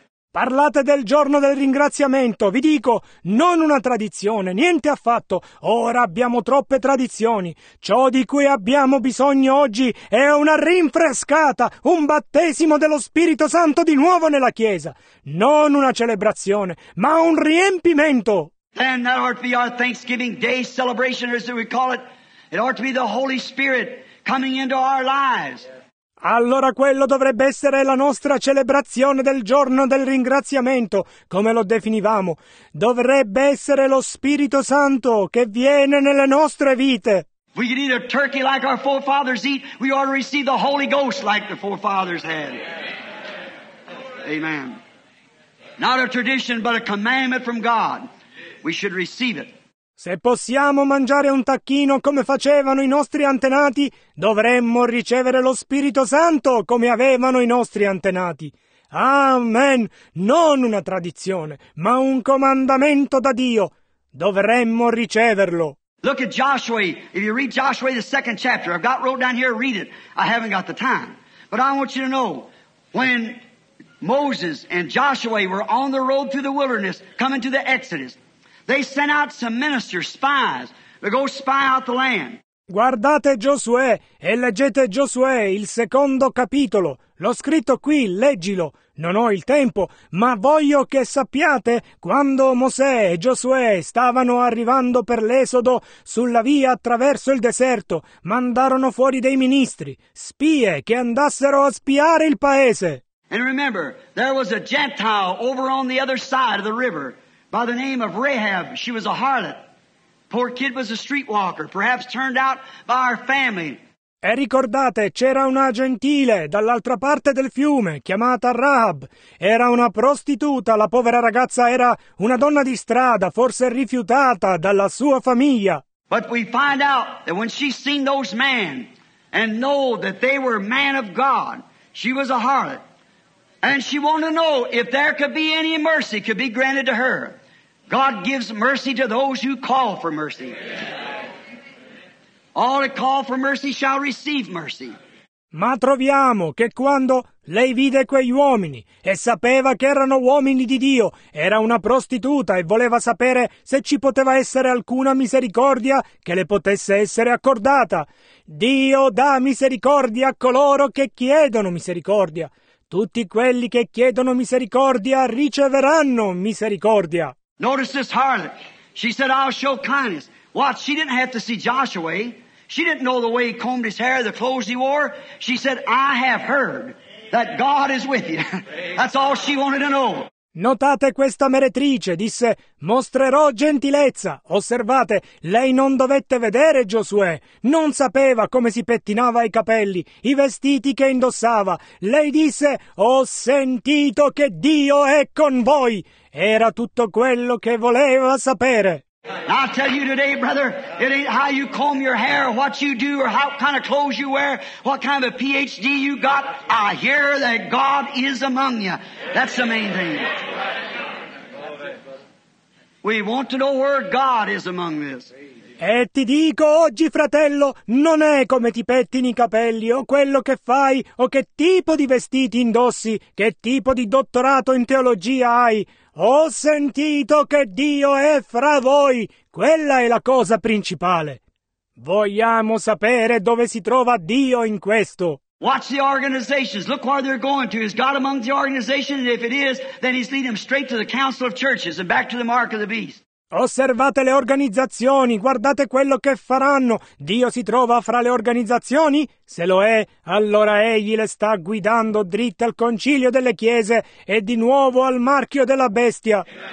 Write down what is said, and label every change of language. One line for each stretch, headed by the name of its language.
Italian: Parlate del giorno del ringraziamento. Vi dico, non una tradizione, niente affatto. Ora abbiamo troppe tradizioni. Ciò di cui abbiamo bisogno oggi è una rinfrescata, un battesimo dello Spirito Santo di nuovo nella Chiesa. Non una celebrazione, ma un riempimento.
English: Then that ought to be our Thanksgiving Day celebration, as we call it. It ought to be the Holy Spirit coming into our lives.
Italian: Allora quello dovrebbe essere la nostra celebrazione del giorno del ringraziamento, come lo definivamo. Dovrebbe essere lo Spirito Santo che viene nelle nostre vite.
English: We could eat a turkey like our forefathers eat. We ought to receive the Holy Ghost like the forefathers had. Amen. Not a tradition, but a commandment from God. We should receive it.
Italian: Se possiamo mangiare un tacchino come facevano i nostri antenati, dovremmo ricevere lo Spirito Santo come avevano i nostri antenati. Amen! Non una tradizione, ma un comandamento da Dio. Dovremmo riceverlo.
English: Look at Joshua. If you read Joshua, the second chapter, I've got wrote down here, read it. I haven't got the time. But I want you to know, when Moses and Joshua were on the road through the wilderness, coming to the Exodus, they sent out some ministers, spies, to go spy out the land.
Italian: Guardate Giosuè e leggete Giosuè, il secondo capitolo. L'ho scritto qui, leggilo. Non ho il tempo, ma voglio che sappiate quando Mosè e Giosuè stavano arrivando per l'esodo sulla via attraverso il deserto, mandarono fuori dei ministri, spie, che andassero a spiare il paese.
English: And remember, there was a Gentile over on the other side of the river. By the name of Rahab, she was a harlot. Poor kid was a streetwalker, perhaps turned out by her family.
Italian: E ricordate, c'era una gentile dall'altra parte del fiume, chiamata Rahab. Era una prostituta, la povera ragazza era una donna di strada, forse rifiutata dalla sua famiglia.
English: But we find out that when she seen those men and know that they were men of God, she was a harlot. And she wanted to know if there could be any mercy could be granted to her. God gives mercy to those who call for mercy. All that call for mercy shall receive mercy.
Italian: Ma troviamo che quando lei vide quegli uomini e sapeva che erano uomini di Dio, era una prostituta e voleva sapere se ci poteva essere alcuna misericordia che le potesse essere accordata. Dio dà misericordia a coloro che chiedono misericordia. Tutti quelli che chiedono misericordia riceveranno misericordia.
English: Notice this harlot. She said, I'll show kindness. What? She didn't have to see Joshua. She didn't know the way he combed his hair, the clothes he wore. She said, I have heard that God is with you. That's all she wanted to know.
Italian: Notate questa meretrice, disse, mostrerò gentilezza. Osservate, lei non dovette vedere Giosuè, non sapeva come si pettinava i capelli, i vestiti che indossava. Lei disse, ho sentito che Dio è con voi. Era tutto quello che voleva sapere.
English: I'll tell you today, brother, it ain't how you comb your hair, or what you do, or how kind of clothes you wear, what kind of a PhD you got. I hear that God is among you. That's the main thing. We want to know where God is among this.
Italian: E ti dico oggi, fratello, non è come ti pettini i capelli, o quello che fai, o che tipo di vestiti indossi, che tipo di dottorato in teologia hai. Ho sentito che Dio è fra voi. Quella è la cosa principale. Vogliamo sapere dove si trova Dio in questo.
English: Watch the organizations. Look where they're going to. Is God among the organizations? If it is, then he's leading them straight to the council of churches and back to the mark of the beast.
Italian: Osservate le organizzazioni, guardate quello che faranno. Dio si trova fra le organizzazioni? Se lo è, allora egli le sta guidando dritte al concilio delle chiese e di nuovo al marchio della bestia.